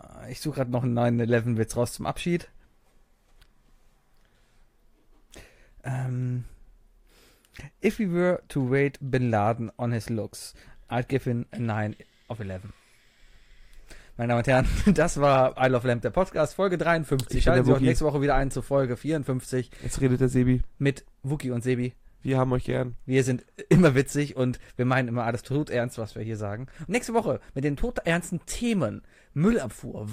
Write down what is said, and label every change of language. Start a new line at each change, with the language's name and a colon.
German: Ich suche gerade noch einen 9-11-Witz raus zum Abschied.
English: If we were to wait Bin Laden on his looks, I'd give him a 9-11.
German: Meine Damen und Herren, das war I Love Lamp, der Podcast, Folge 53. Schalten Sie auch nächste Woche wieder ein zu Folge 54. Jetzt redet der Sebi. Mit Wookie und Sebi. Wir haben euch gern. Wir sind immer witzig und wir meinen immer alles tot ernst, was wir hier sagen. Und nächste Woche mit den tot ernsten Themen. Müllabfuhr.